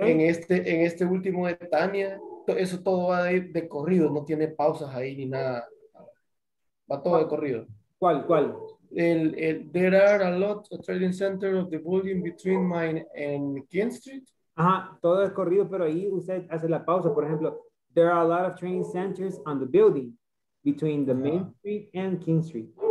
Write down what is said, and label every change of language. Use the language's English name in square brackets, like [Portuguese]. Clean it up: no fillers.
[Spanish] En este último de Tania, eso todo va a ir de corrido, no tiene pausas ahí ni nada. Va todo de corrido. ¿Cuál? [English] There are a lot of trading center of the building between Main and King Street. [Spanish] Ajá, todo es corrido, pero ahí usted hace la pausa. Por ejemplo, [English] there are a lot of training centers on the building between the Main Street and King Street.